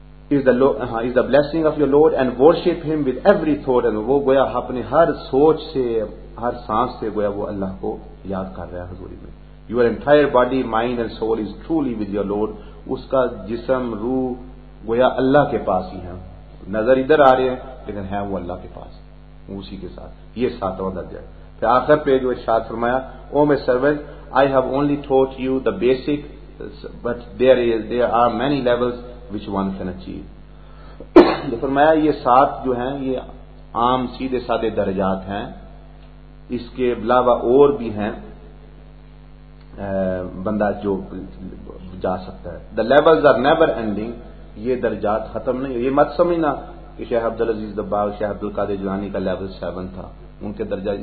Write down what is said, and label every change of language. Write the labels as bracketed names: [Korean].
[English] is the blessing of your lord and worship him with every thought, [Urdu] and وہ گویا اپنے ہر سوچ سے ہر سانس سے گویا وہ اللہ کو یاد کر رہا ہے حضوری میں. [English] your entire body mind and soul is truly with your lord, [Urdu] اس کا جسم روح گویا اللہ کے پاس ہی ہیں, نظر ادھر آ رہے ہیں لیکن ہیں وہ اللہ کے پاس, اسی کے ساتھ. یہ ساتواں درجہ. پھر آخر پہ جو ارشاد فرمایا, [English] O my servant I have only taught you the basic but there are many levels which one can achieve. [Urdu] فرمایا یہ سات جو ہیں یہ عام سیدھے سادے درجات ہیں, اس کے علاوہ اور بھی ہیں بندہ جو جا سکتا ہے. [English] the levels are never ending, [Urdu] یہ درجات ختم نہیں. یہ مت سمجھنا کہ شیخ عبدالعزیز دباغ, شیخ عبدالقادر جیلانی کا لیول 7 تھا, ان کے درجات.